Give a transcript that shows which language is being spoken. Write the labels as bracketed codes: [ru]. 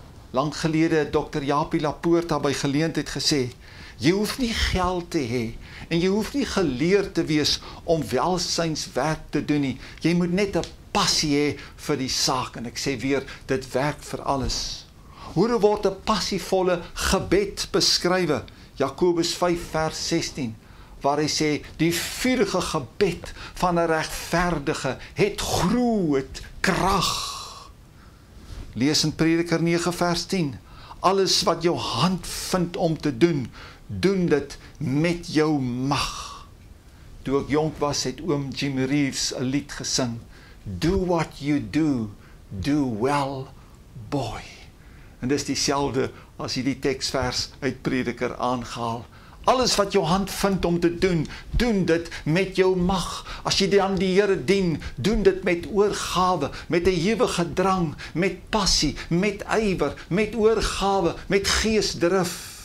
[af] Lang gelede het Dr. Japie Lapoorta by geleentheid gesê, jy hoef nie geld te hê en jy hoef nie geleer te wees om welsynswerk te doen nie. Jy moet net een passie hê vir die saak, en ek sê weer, dit werk vir alles. Hoe word een passievolle gebed beskrywe? Jakobus 5 vers 16, waar hy sê, die vurige gebed van een regverdige het groot krag. Lees in Prediker 9 vers 10, alles wat jou hand vind om te doen, doen dit met jou mag. Toe ek jong was, het oom Jim Reeves een lied gesing, [en] do what you do, do well, boy. [af] En dis dieselfde as jy die tekstvers uit Prediker aangehaal. Alles wat jou hand vind om te doen, doen dit met jou mag. As jy dan die Here dien, doen dit met oorgawe, met een ewige drang, met passie, met ywer, met oorgawe, met geesdrif.